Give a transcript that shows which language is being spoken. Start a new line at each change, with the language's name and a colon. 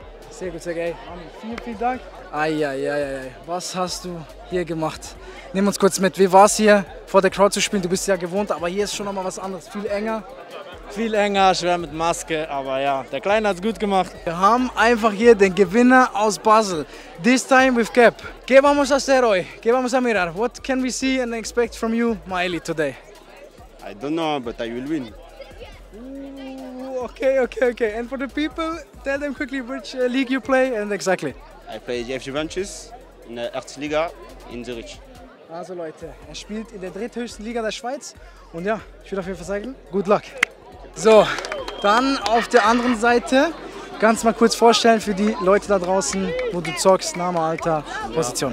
German: Sehr gut, sehr geil. Armin, vielen, vielen Dank. Eieieiei, was hast du hier gemacht? Nimm uns kurz mit, wie war es hier vor der Crowd zu spielen? Du bist ja gewohnt, aber hier ist schon nochmal was anderes, viel enger. Viel enger, schwer mit Maske, aber ja, der Kleine hat es gut gemacht. Wir haben einfach hier den Gewinner aus Basel.
English: This time with Cap.
Spanish: ¿Qué vamos a hacer hoy? ¿Qué vamos a mirar?
English: What can we see and expect from you, Miley, today? I don't know, but I will win. Ooh, okay, okay, okay. And for the people, tell them quickly which league you play and exactly. I play GF Juventus
German: in der Erzliga
English: in Zürich.
German: Also Leute, er spielt in der dritthöchsten Liga der Schweiz. Und ja, ich will auf jeden Fall sagen,
English: good luck.
German: So, dann auf der anderen Seite, ganz mal kurz vorstellen für die Leute da draußen, wo du zockst, Name, Alter, Position.